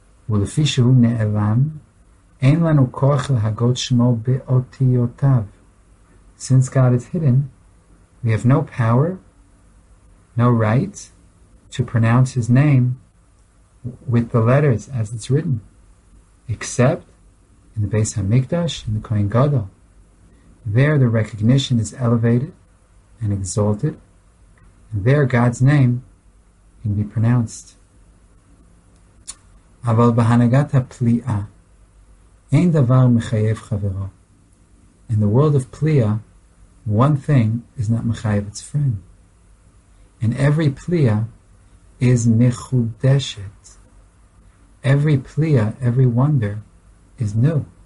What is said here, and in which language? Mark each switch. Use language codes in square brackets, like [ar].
[he] ולפי שהוא נעלם, אין לנו כוח להגות שמו באותיותיו. [en] Since God is hidden, we have no power, no right, to pronounce his name with the letters as it's written, except in the Beis HaMikdash, in the Kohen Gadol. There the recognition is elevated and exalted, and there God's name can be pronounced. [he] אבל בהנהגת הפליאה אין דבר מחייב חברו. [en] In the world of פליאה, one thing is not מחייב its friend. And every פליאה is מחודשת. Every פליאה, every wonder is new.